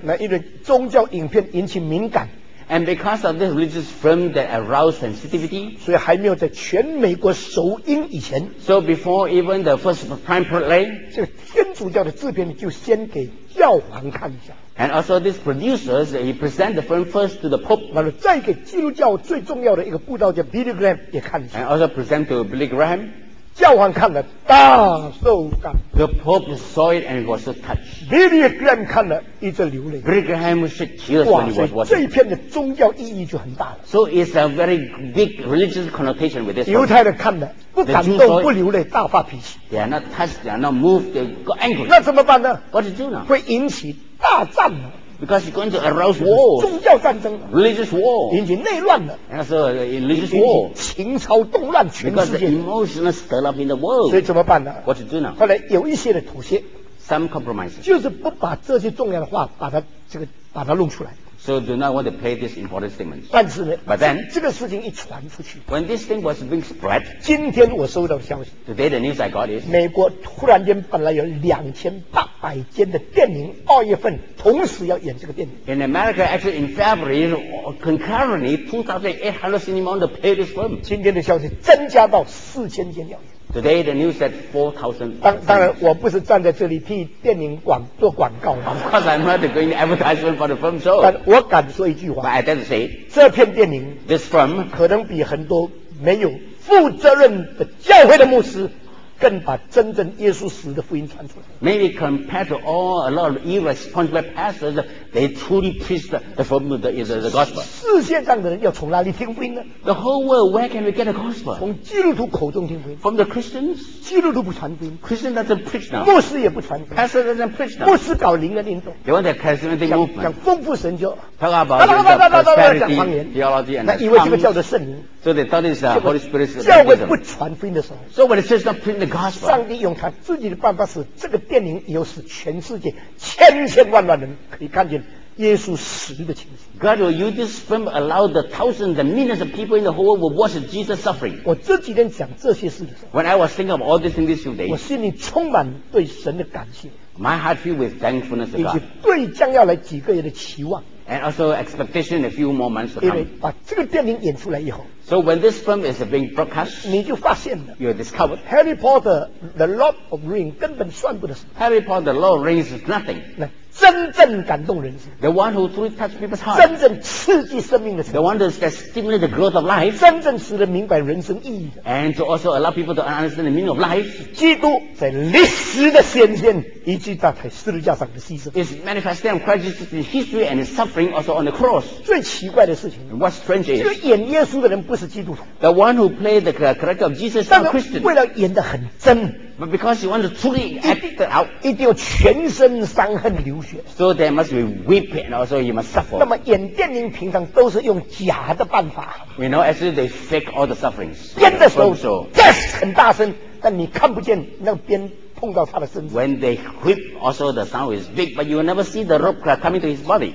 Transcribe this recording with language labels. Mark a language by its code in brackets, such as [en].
[zh] 那因为宗教影片引起敏感。 [en] And because of this religious film that aroused sensitivity， [zh] 所以还没有在全美国首映以前 [en] ，So before even the first prime play， [zh] 这个天主教的制片就先给教皇看一下。 [en] And also this producer, he presented the film first to the Pope， [zh] 然后再给基督教最重要的一个布道叫 Billy Graham 也看一下。 [en] And also present to Billy Graham， [zh] 教皇看了大受感。 [en] The Pope saw it and was touched。 [zh] Billy Graham 看了一直流泪。 [en] Billy Graham shed tears when he was watching。 [zh] 这一片的宗教意义就很大了。 [en] So it's a very big religious connotation with this。 [zh] 犹太人看了不感动不流泪大发脾气。 [en] They are not touched, they are not moved, they got angry。 [zh] 那怎么办呢 [en] ？What to do now？ [zh] 会引起大战了。 [en] Because he's going to arouse wars, [zh] 宗教战争 [en] ，religious war， [zh] 引起内乱的 [en] ，and so religious war， [zh] 情操动乱全世界 [en] ，because emotional stir up in the world， [zh] 所以怎么办呢 [en] ？What to do now？ [zh] 后来有一些的妥协 [en] ，some compromises， [zh] 就是不把这些重要的话把它这个把它弄出来。 [en] So do not want to play this important statement. [zh] 但是呢 [en] ，But then， [zh] 这个事情一传出去 [en] ，When this thing was being spread， [zh] 今天我收到的消息 [en] ，Today the news I got is， [zh] 美国突然间本来有2800间的电影，二月份同时要演这个电影。 [en] In America, actually in February, concurrently 2800 cinema to play this film. [zh] 今天的消息增加到4000间要演。 [en] Today the news said 4,000. [zh] 当然，我不是站在这里替电影广做广告。 [en] Of course, I'm not doing advertisement for the film show. [zh] 但我敢说一句话。 [en] But I dare to say, [zh] 这片电影 [en] ，this film， [zh] 可能比很多没有负责任的教会的牧师，更把真正耶稣死的福音传出来。 [en] Maybe compared to all a lot of irresponsible pastors, they truly preach the form of the gospel. [zh] 世界上的人要从哪里听福音呢 [en] ？The whole world, where can we get the gospel? [zh] 从基督徒口中听福音。 [en] From the Christians, [zh] 基督徒不传福音。 [en] Christians doesn't preach now. [zh] 牧师也不传。 [en] Pastor doesn't preach now. [zh] 牧师搞灵的运动。 [en] They want a charismatic movement. [zh] 讲丰富神教。 [en] Talk about the prosperity theology and the tongues. So they thought it's the Holy Spirit's wisdom. [zh] 教会不传福音的时候。 [en] So when the church not preach the gospel, [zh] 上帝用他自己的办法使这个电影有使全世界千千万万人可以看见耶稣死的情形。 [en] God will use this film to allow the thousands and millions of people in the whole world to watch Jesus suffering. [zh] 我这几天讲这些事的时候 [en] ，When I was thinking of all these things these few days, [zh] 我心里充满对神的感谢。 [en] My heart filled with thankfulness to God. [zh] 以及对将要来几个月的期望。 [en] And also expectation a few more months to come. [zh] 因为把这个电影演出来以后 [en] ，So when this film is being broadcast, [zh] 你就发现了 [en] ，You discovered [zh] Harry Potter, The Lord of Rings 根本算不得什么。 [en] Harry Potter, The Lord of Rings is nothing. [zh] 那真正感动人心 [en] ，The one who truly touched people's heart, [zh] 真正刺激生命的 [en] ，The one that stimulates the growth of life, [zh] 真正使人明白人生意义的 [en] ，And to also allow people to understand the meaning of life, [zh] 基督在历史的显现。以及在十字架上的牺牲 [en] is manifesting Christ's history and his suffering also on the cross. [zh] 最奇怪的事情 [en] what's strange is [zh] 这个演耶稣的人不是基督徒 [en] the one who played the character of Jesus is a Christian. [zh] 为了演得很真 [en] but because he wants to truly act out [zh] 一定要全身伤痕流血 [en] so there must be weeping and also he must suffer. [zh] 那么演电影平常都是用假的办法 [en] you know actually they fake all the sufferings. [zh] 编的时候 yes 很大声但你看不见那个编碰到他的身体。 [en] When they whip, also the sound is big, but you will never see the rope coming to his body.